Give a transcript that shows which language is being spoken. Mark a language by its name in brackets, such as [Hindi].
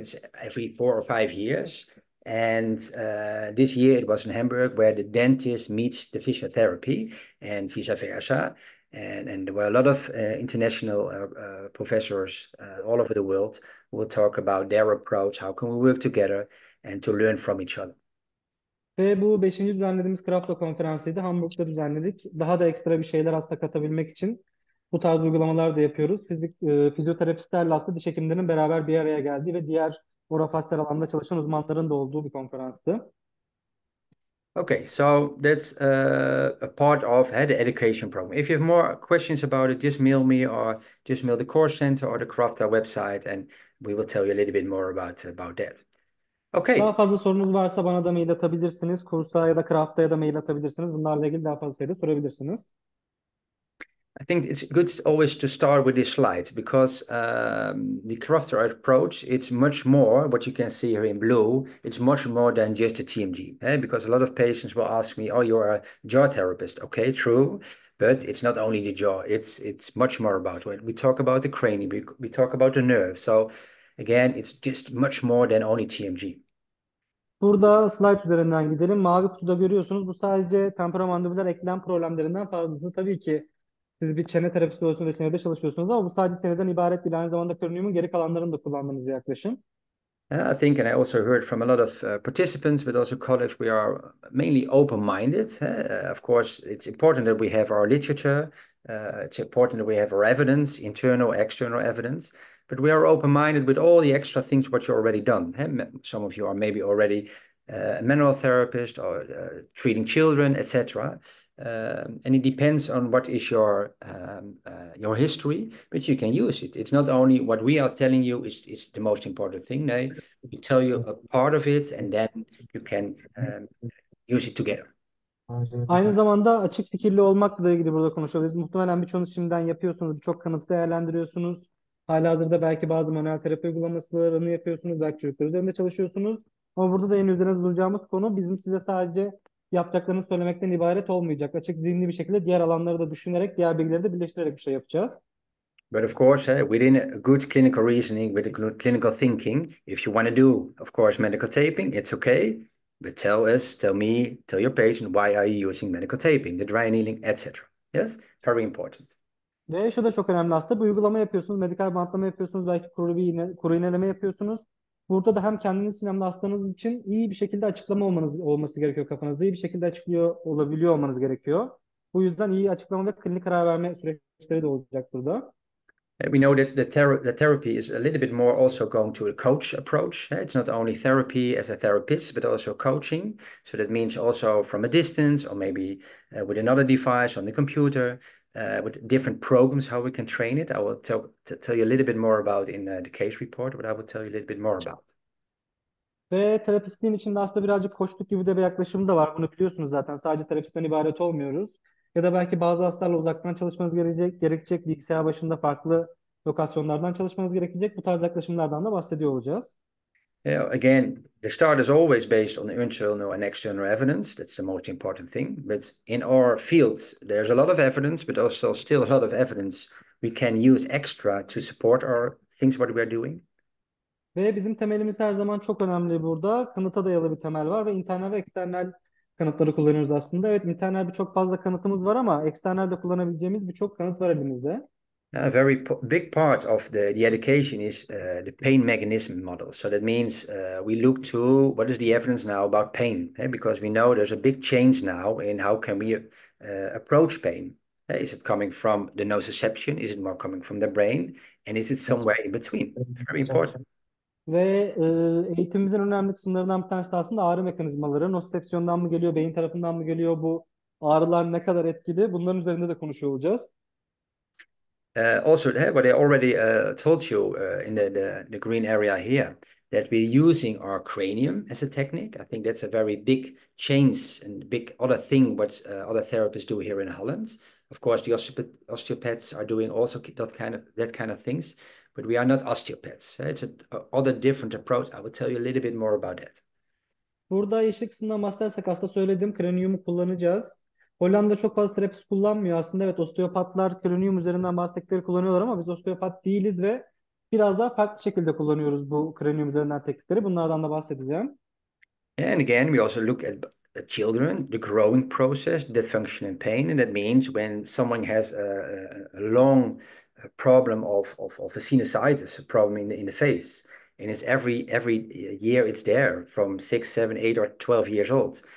[English] It's every 4 or 5 years, and this year it was in Hamburg, where the dentist meets the physiotherapy and vice versa. And there were a lot of international professors all over the world who will talk about their approach. How can we work together and to learn from each other. [Turkish] Ve bu 5. düzenlediğimiz Krafto konferansıydı. Hamburg'da düzenledik. Daha da ekstra bir şeyler hasta katabilmek için bu tarz uygulamalar da yapıyoruz. Fizyoterapistlerle aslında diş hekimlerinin beraber bir araya geldiği ve diğer orofaciyal alanda çalışan uzmanların da olduğu bir konferanstı. [English] Okay, so that's a part of the education program. If you have more questions about it, just mail me or just mail the course center or the Crafta website, and we will tell you a little bit more about that. [Turkish] Daha [English] Okay. [Turkish] fazla sorunuz varsa bana da mail atabilirsiniz. Kursa ya da Craft'a da mail atabilirsiniz. Bunlarla ilgili daha fazla sayıda sorabilirsiniz. [English] I think it's good to always to start with this slide because the cluster approach, it's much more what you can see here in blue. It's much more than just a TMG, eh? Because a lot of patients will ask me, oh, you're a jaw therapist. Okay, true. But it's not only the jaw. It's much more about when we talk about the cranium, we talk about the nerve. So again, it's just much more than only TMG. [Turkish] Burada slide üzerinden gidelim. Mavi kutuda görüyorsunuz. Bu sadece temporomandibüler eklem problemlerinden fazlası. Tabii ki siz bir çene terapisti olursunuz ve çenede çalışıyorsunuz ama bu sadece çeneden ibaret değil. Aynı zamanda kranium'un geri kalanlarını da kullandığınız yaklaşım. [English] I think, and I also heard from a lot of participants, but also colleagues, we are mainly open-minded. Of course, it's important that we have our literature. It's important that we have our evidence, internal, external evidence. But we are open-minded with all the extra things what you've already done. Some of you are maybe already a manual therapist or treating children, etc. And it depends on what is your history, but you can use it. It's not only what we are telling you is the most important thing. No, we tell you a part of it, and then you can use it together. [Turkish] Aynı zamanda açık fikirli olmakla ilgili burada konuşabiliriz. Muhtemelen birçoğunuz şimdiden yapıyorsunuz. Birçok kanıtı değerlendiriyorsunuz. Halihazırda belki bazı manuel terapi uygulamalarını yapıyorsunuz. Belki çocuklar üzerinde çalışıyorsunuz. Ama burada da en üzerine duracağımız konu bizim size sadece yaptıklarını söylemekten ibaret olmayacak. Açık zihinli bir şekilde diğer alanları da düşünerek, diğer bilgileri de birleştirerek bir şey yapacağız. [English] But of course, within a good clinical reasoning, with a good clinical thinking, if you want to do, of course, medical taping, it's okay. But tell us, tell me, tell your patient, why are you using medical taping, the dry needling, etc. Yes, very important. [Turkish] Ve şu da çok önemli aslında. Bu uygulama yapıyorsunuz, medikal bantlama yapıyorsunuz, belki kuru bir iğne, kuru iğneleme yapıyorsunuz. Burada da hem kendiniz için hem de hastanız için iyi bir şekilde açıklama olması gerekiyor kafanızda. İyi bir şekilde açıklıyor olabiliyor olmanız gerekiyor. Bu yüzden iyi açıklama ve klinik karar verme süreçleri de olacak burada. [English] We know that the therapy is a little bit more also going to a coach approach. It's not only therapy as a therapist, but also coaching. So that means also from a distance or maybe with another device on the computer, with different programs, how we can train it. I will tell you a little bit more about in the case report, but I will tell you a little bit more about. [Turkish] Ve terapistliğin içinde aslında birazcık koçluk gibi de bir yaklaşım da var. Bunu biliyorsunuz zaten. Sadece terapistten ibaret olmuyoruz. Ya da belki bazı hastalarla uzaktan çalışmanız gerekecek. Bilgisayar başında farklı lokasyonlardan çalışmanız gerekecek. Bu tarz yaklaşımlardan da bahsediyor olacağız. [English] Again, the start is always based on the internal and external evidence. That's the most important thing. But in our fields, there's a lot of evidence, but also still a lot of evidence we can use extra to support our things what we are doing. [Turkish] Ve bizim temelimiz her zaman çok önemli burada. Kanıta dayalı bir temel var ve internal ve eksternal kanıtları kullanıyoruz aslında. Evet, internal birçok fazla kanıtımız var ama eksternal de kullanabileceğimiz birçok kanıt var elimizde. [English] A very big part of the education is the pain mechanism model. So that means we look to what is the evidence now about pain, eh? Because we know there's a big change now in how can we approach pain. Is it coming from the nociception? Is it more coming from the brain? And is it somewhere in between? Very important. [Turkish] Ve eğitimimizin önemli kısımlarından bir tanesi de aslında ağrı mekanizmaları. Nosepsiyondan mı geliyor, beyin tarafından mı geliyor, bu ağrılar ne kadar etkili? Bunların üzerinde de konuşuyor olacağız. [English] Also, what I already told you in the green area here, that we're using our cranium as a technique. I think that's a very big change and big other thing what other therapists do here in Holland. Of course, the osteopaths are doing also that kind of things, but we are not osteopaths. It's other different approach. I will tell you a little bit more about that. [Turkish] Burada yeşil kısımdan bahsedersek aslında söylediğim kraniumu kullanacağız. Hollanda çok fazla terapist kullanmıyor aslında. Evet, osteopatlar kranium üzerinden bazı teknikleri kullanıyorlar ama biz osteopat değiliz ve biraz daha farklı şekilde kullanıyoruz bu kranium üzerinden teknikleri. Bunlardan da bahsedeceğim. [English] And again, we also look at the children, the growing process, the function and pain. And that means when someone has a long problem of a sinusitis, a problem in the face, and it's every year it's there from 6, 7, 8, or 12 years old.